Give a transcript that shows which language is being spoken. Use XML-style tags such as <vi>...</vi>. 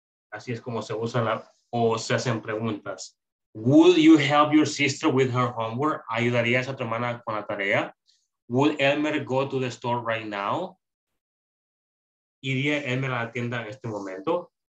<es>Así es como se usa se hacen preguntas.</es> <en>Would you help your sister with her homework?</en> <es>¿Ayudarías a tu hermana con la tarea?</es> <en>Would Elmer go to the store right now?</en> <es>¿Iría Elmer a la tienda en este momento?</es>